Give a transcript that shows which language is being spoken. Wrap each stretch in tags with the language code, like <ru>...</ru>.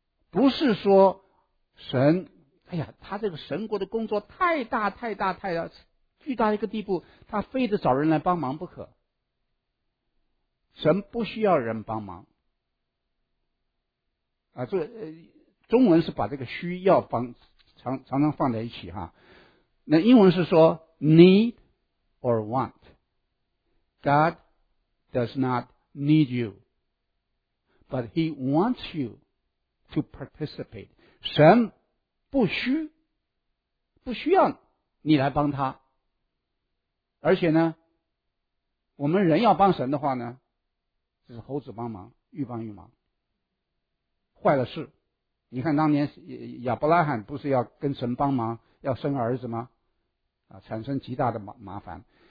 <zh>不是说神，哎呀，他这个神国的工作太大太大太大，巨大一个地步，他非得找人来帮忙不可。神不需要人帮忙啊，这中文是把这个需要帮常常放在一起哈。那英文是说</zh> <en>need or want， God does not need you but he wants you to participate。</en> <zh>神不需要你来帮他，而且呢我们人要帮神的话呢，只是猴子帮忙欲帮欲忙，坏了事。你看当年亚伯拉罕不是要跟神帮忙要生儿子吗产生极大的麻烦。</zh>